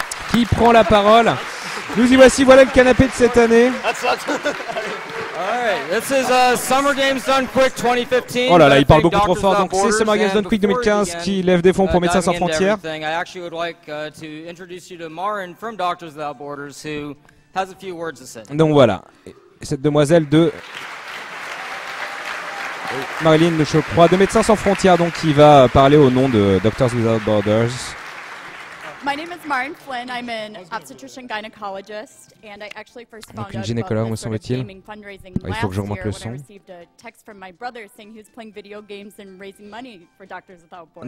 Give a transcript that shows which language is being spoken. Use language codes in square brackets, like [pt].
[fr] Qui prend la parole. Nous y voici, voilà le canapé de cette année. [en] This is Summer Games Done Quick 2015. [fr] Oh là là, il parle beaucoup trop fort. Donc c'est Summer Games Done Quick 2015 qui lève des fonds pour Médecins Sans Frontières. [en] I actually would like to introduce you to Marin from Doctors Without Borders, who has a few words to say. [fr] Donc voilà, cette demoiselle de Marilyn de Chocroix de Médecins Sans Frontières, donc qui va parler au nom de Doctors Without Borders. [en] My name is Maren Flynn. I'm an obstetrician gynecologist, and I actually first found out about this sort of gaming fundraising last year when I received a text from my brother saying he was playing video games and raising money for Doctors Without Borders.